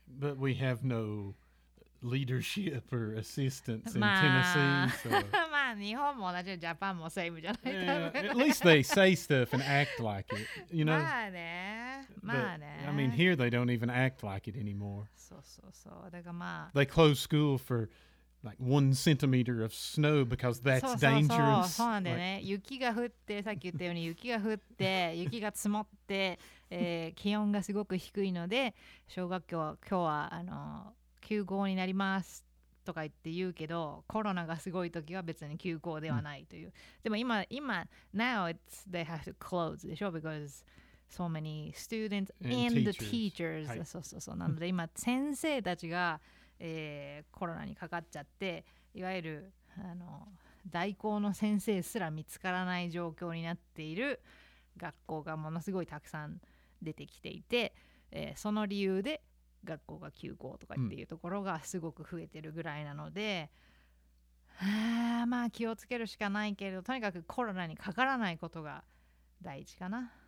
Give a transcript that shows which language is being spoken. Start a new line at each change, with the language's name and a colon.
English: But we have no leadership or assistance in Tennessee.
Japanese: まあ日本も同じ、ジャパンもセイムじゃない。
English: Yeah, at least they say stuff and act like it, you know?
Japanese: まあね。
English: But, I mean, here they don't even act like it anymore. So, so, so.
Japanese: だからまあ、
English: they close school for like 1 centimeter of snow because that's dangerous.
Japanese: そうなんでね。雪が降って、さっき言ったように雪が降って、雪が積もって、気温がすごく低いので、小学校は今日はあの休校になりますとか言って言うけど、コロナがすごい時は別に休校ではないという。でも今、
English: now it's, they have to close
Japanese: でしょ
English: because... So many students and the teachers.
Japanese: はい、そうそうそう。なので今先生たちが、コロナにかかっちゃって、いわゆるあの代行の先生すら見つからない状況になっている学校がものすごいたくさん出てきていて、その理由で学校が休校とかっていうところがすごく増えてるぐらいなので、まあ気をつけるしかないけれど、とにかくコロナにかからないことが第一かな。